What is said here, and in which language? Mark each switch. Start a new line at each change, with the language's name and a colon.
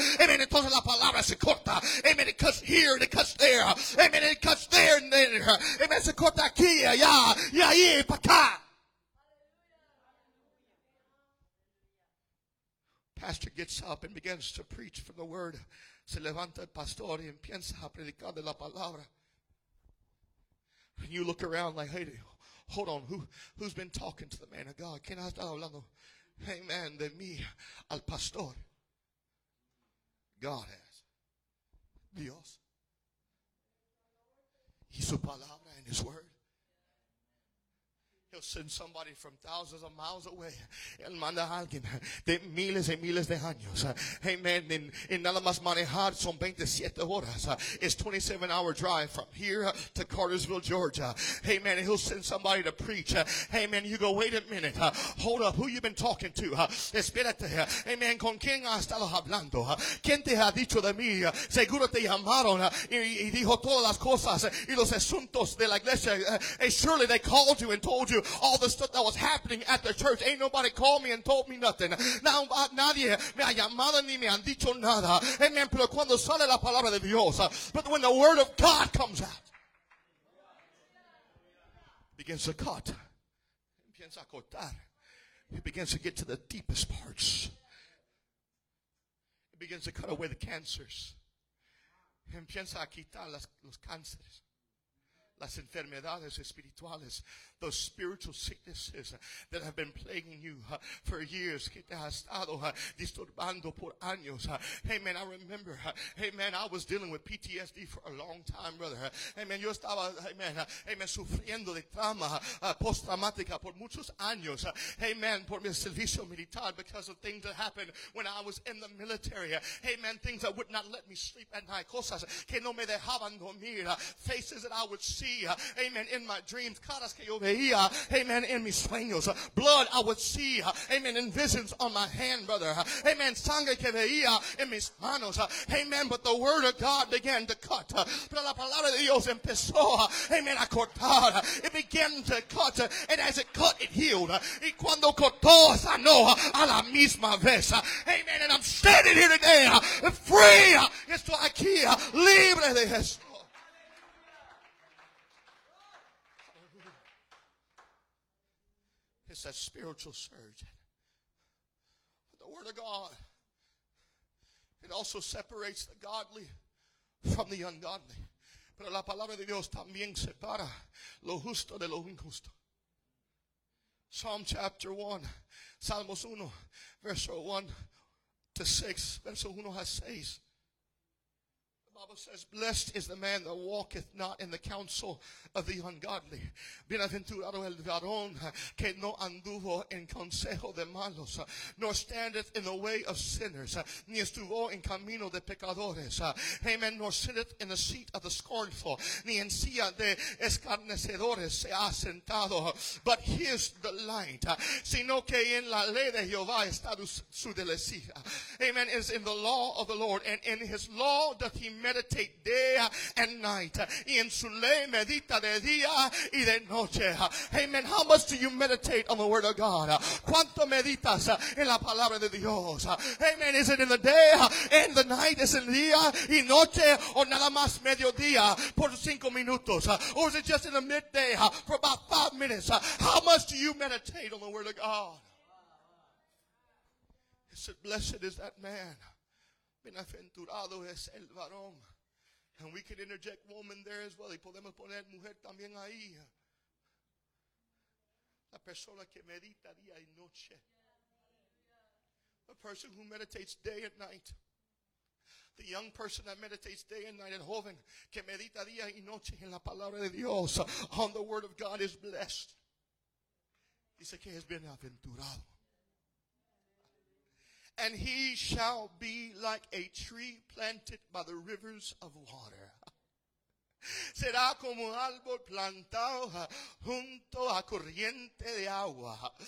Spanish: amen, entonces la palabra se corta, amen,
English: it cuts here and it cuts there, amen, it cuts there and there,
Spanish: amen, se corta aquí, allá, y ahí, para acá.
English: Pastor gets up and begins to preach from the word.
Spanish: Se levanta el pastor y empieza a predicar de la palabra.
English: And you look around like, hey, hold on, who's been talking to the man of God?
Spanish: ¿Quién ha estado hablando? Amen, de mí al pastor.
English: God has. Dios.
Spanish: Y su palabra
English: and his word. He'll send somebody from thousands of miles away.
Spanish: Él manda a alguien de miles y miles de años. Amen. Y nada más manejar son 27 horas.
English: It's 27-hour drive from here to Cartersville, Georgia. Amen. He'll send somebody to preach. Amen. You go, wait a minute. Hold up. Who you been talking to?
Spanish: Espérate. Amen. ¿Con quién has estado hablando? ¿Quién te ha dicho de mí? Seguro te llamaron y dijo todas las cosas y los asuntos de la iglesia.
English: Surely they called you and told you all the stuff that was happening at the church. Ain't nobody called me and told me nothing.
Spanish: Nadie me ha llamado ni me han dicho nada.
English: Amen.
Spanish: Pero cuando sale la palabra de Dios,
English: but when the word of God comes out, begins to cut,
Spanish: empieza a cortar,
English: it begins to get to the deepest parts, it begins to cut away the cancers,
Spanish: empieza a quitar los cánceres, las enfermedades espirituales,
English: those spiritual sicknesses that have been plaguing you for years,
Spanish: que te ha estado disturbando por años.
English: Hey man, I remember, hey man, I was dealing with PTSD for a long time, brother.
Spanish: Hey man, yo estaba, hey man, sufriendo de trauma post-traumática por muchos años.
English: Hey man,
Spanish: por mi servicio militar,
English: because of things that happened when I was in the military. Hey man, things that would not let me sleep at night,
Spanish: cosas que no me dejaban dormir,
English: faces that I would see, amen, in my dreams,
Spanish: caras que yo veía, amen, in mis sueños,
English: blood I would see, amen, in visions on my hand, brother, amen,
Spanish: sangre que veía en mis manos,
English: amen, but the word of God began to cut,
Spanish: pero la palabra de Dios empezó, amen, a cortar,
English: it began to cut, and as it cut, it healed,
Spanish: y cuando cortó, sanó a la misma vez, amen,
English: and I'm standing here today, free,
Spanish: estoy aquí, libre de esto.
English: It's that spiritual surge. But the word of God, it also separates the godly from the ungodly.
Spanish: Pero la palabra de Dios también separa lo justo de lo injusto.
English: Psalm chapter 1, Salmos 1, verse 1 to 6, verse 1 has says. Bible says, blessed is the man that walketh not in the counsel of the ungodly.
Spanish: Bienaventurado el varón que no anduvo en consejo de malos,
English: nor standeth in the way of sinners,
Spanish: ni estuvo en camino de pecadores. Amen.
English: Nor sitteth in the seat of the scornful,
Spanish: ni en silla de escarnecedores se ha sentado.
English: But his delight,
Spanish: sino que en la ley de Jehová está su delicia.
English: Amen. Is in the law of the Lord, and in his law doth he meditate day and night.
Spanish: Y en su ley medita de día y de noche. Amen.
English: How much do you meditate on the word of God?
Spanish: ¿Cuánto meditas en la palabra de Dios?
English: Amen. Is it in the day and the night? Is it in the
Spanish: día y noche? O nada más mediodía por 5 minutos?
English: Or is it just in the midday for about 5 minutes? How much do you meditate on the word of God? Blessed is that man.
Spanish: Bienaventurado es el varón.
English: And we can interject woman there as well.
Spanish: Y podemos poner mujer también ahí. La persona que medita día y noche.
English: The person who meditates day and night. The young person that meditates day and night.
Spanish: El joven que medita día y noche en la palabra de Dios.
English: On the word of God is blessed.
Spanish: Dice que es bienaventurado.
English: And he shall be like a tree planted by the rivers of water.
Spanish: Será como un árbol plantado junto a corriente de agua.